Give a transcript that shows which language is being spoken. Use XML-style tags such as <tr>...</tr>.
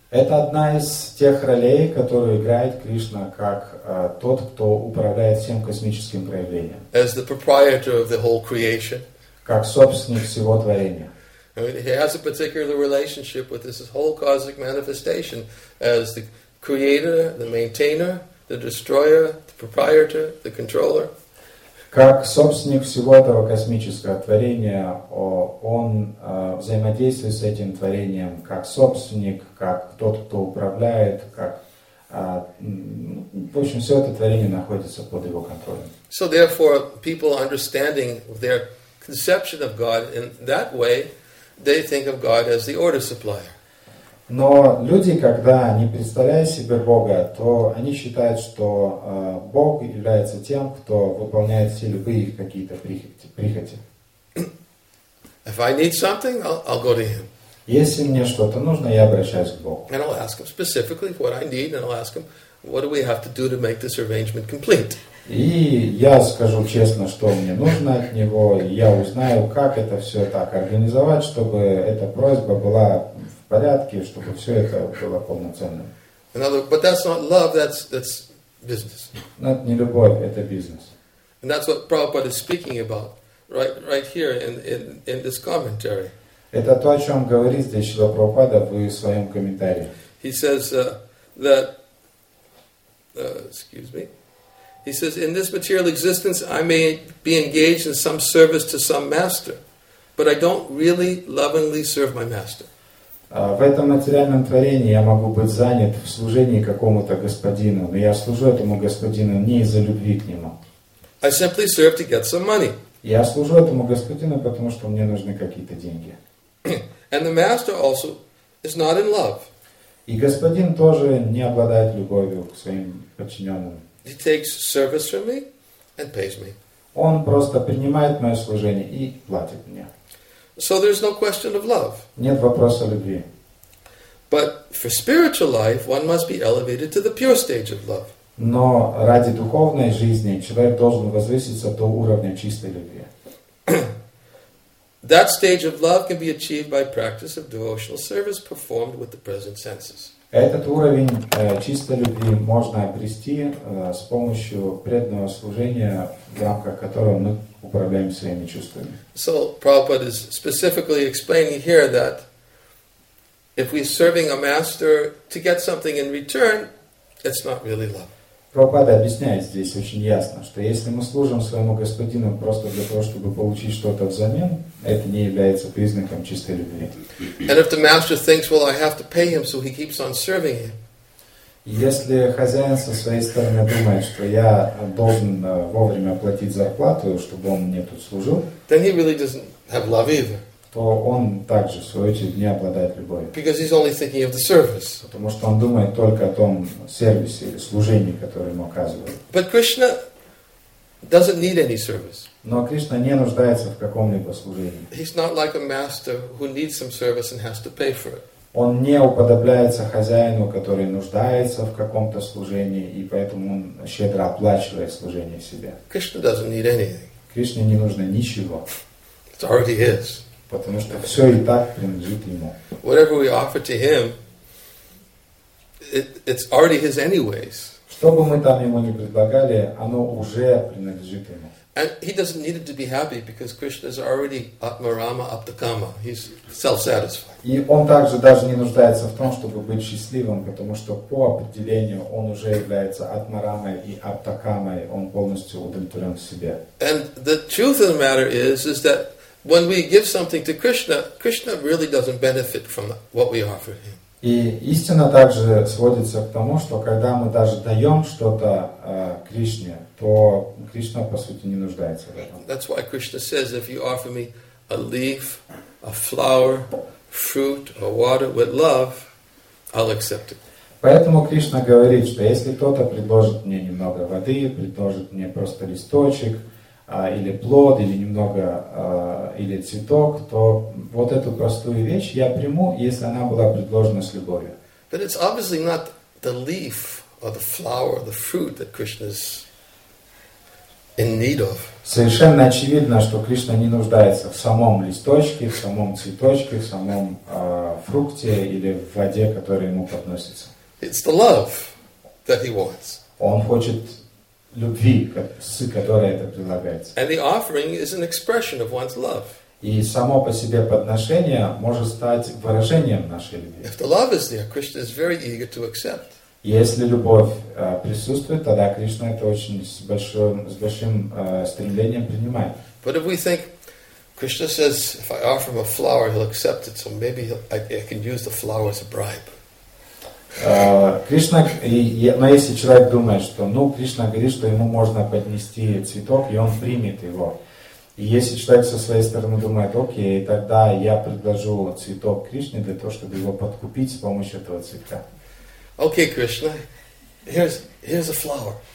<ru>Это одна из тех ролей, которую играет Кришна как тот, кто управляет всем космическим проявлением.</ru> <en>As the proprietor of the whole creation.</en> <ru>Как собственник всего творения.</ru> <en>I mean, he has a particular relationship with this whole cosmic manifestation as the creator, the maintainer, the destroyer, the proprietor, the controller.</en> <ru>Как собственник всего этого космического творения, он взаимодействует с этим творением как собственник, как тот, кто управляет, как, в общем, все это творение находится под его контролем.</ru> <en>So therefore, people understanding their conception of God in that way, they think of God as the order supplier.</en> <ru>Но люди, когда они представляют себе Бога, то они считают, что Бог является тем, кто выполняет все любые их какие-то прихоти.</ru> <en>If I need something, I'll go to him.</en> <ru>Если мне что-то нужно, я обращаюсь к Богу.</ru> <en>And I'll ask him specifically what I need, and I'll ask him, what do we have to do to make this arrangement complete?</en> <ru>И я скажу честно, что мне нужно от него, и я узнаю, как это все так организовать, чтобы эта просьба была в порядке, чтобы все это было полноценным.</ru> <en>Another, but that's not love, that's business.</en> <ru>Но это не любовь, это бизнес.</ru> <en>And that's what Prabhupada is speaking about. Right here in this commentary.</en> <ru>Это то, о чём говорит здесь Шрила Прабхупада в своём комментарии.</ru> <en>He says that excuse me. He says in this material existence I may be engaged in some service to some master, but I don't really lovingly serve my master.</en> <ru>В этом материальном творении я могу быть занят в служении какому-то господину, но я служу этому господину не из-за любви к нему.</ru> <en>I simply serve to get some money.</en> <ru>Я служу этому господину, потому что мне нужны какие-то деньги.</ru> <en>And the master also is not in love.</en> <ru>И господин тоже не обладает любовью к своим подчиненным.</ru> <en>He takes service from me and pays me.</en> <ru>Он просто принимает мое служение и платит мне.</ru> <en>So there's no question of love.</en> <ru>Нет вопроса любви.</ru> <en>But for spiritual life, one must be elevated to the pure stage of love.</en> <ru>Но ради духовной жизни человек должен возвыситься до уровня чистой любви.</ru> <en>That stage of love can be achieved by practice of devotional service performed with the present senses.</en> <ru>Этот уровень чистой любви можно обрести с помощью преданного служения, в рамках которого мы управляем своими чувствами.</ru> <en>So Prabhupada is specifically explaining here that if we're serving a master to get something in return, it's not really love.</en> <ru>Прабхупада объясняет здесь очень ясно, что если мы служим своему господину просто для того, чтобы получить что-то взамен, это не является признаком чистой любви.</ru> <en>And if the master thinks, well, I have to pay him, so he keeps on serving him.</en> <ru>Если хозяин со своей стороны думает, что я должен вовремя платить зарплату, чтобы он мне тут служил,</ru> <en>then he really doesn't have love either.</en> <ru>То он также, в свою очередь, не обладает любовью.</ru> <en>Because he's only thinking of the service.</en> <ru>Потому что он думает только о том сервисе или служении, которое ему оказывают.</ru> <en>But Krishna doesn't need any service.</en> <ru>Но Кришна не нуждается в каком-либо служении.</ru> <en>He's not like a master who needs some service and has to pay for it.</en> <ru>Он не уподобляется хозяину, который нуждается в каком-то служении, и поэтому он щедро оплачивает служение себе.</ru> <en>Krishna doesn't need anything.</en> <ru>Кришне не нужно ничего.</ru> <en>It's already his.</en> <ru>Потому что все и так принадлежит ему.</ru> <en>Whatever we offer to him, it's already his anyways.</en> <ru>Что бы мы там ему ни предлагали, оно уже принадлежит ему.</ru> <en>And he doesn't need it to be happy because Krishna is already Atmarama Aptakama. He's self-satisfied.</en> <ru>И он также даже не нуждается в том, чтобы быть счастливым, потому что по определению он уже является Атмарамой и Аптакамой. Он полностью удовлетворен в себе.</ru> <en>And the truth of the matter is that when we give something to Krishna, Krishna really doesn't benefit from what we offer him.</en> <ru>И истина также сводится к тому, что когда мы даже даем что-то Кришне, то Кришна по сути не нуждается в этом.</ru> <en>That's why Krishna says, if you offer me a leaf, a flower, fruit, or water with love, I'll accept it.</en> <ru>Поэтому Кришна говорит, что если кто-то предложит мне немного воды, предложит мне просто листочек, или плод, или немного, или цветок, то вот эту простую вещь я приму, если она была предложена с любовью.</ru> <en>But it's obviously not the leaf or the flower or the fruit that Krishna's in need of.</en> <ru>Совершенно очевидно, что Кришна не нуждается в самом листочке, в самом цветочке, в самом фрукте или в воде, которая ему подносится.</ru> <en>It's the love that he wants.</en> <ru>Он хочет любви, с которой это предлагается.</ru> <en>And the offering is an expression of one's love.</en> <ru>И само по себе подношение может стать выражением нашей любви.</ru> <en>If the love is there, Krishna is very eager to accept.</en> <ru>Если любовь присутствует, тогда Кришна это очень с большим стремлением принимает.</ru> <en>But if we think Krishna says, if I offer him a flower, he'll accept it, so maybe I can use the flower as a bribe.</en> <ru>Кришна, но если человек думает, что, ну, Кришна говорит, что ему можно поднести цветок, и он примет его, Если человек со своей стороны думает, окей, тогда я предложу цветок Кришне для того, чтобы его подкупить с помощью этого цветка.</ru> <en>Окей, Кришна, here's a flower.</en>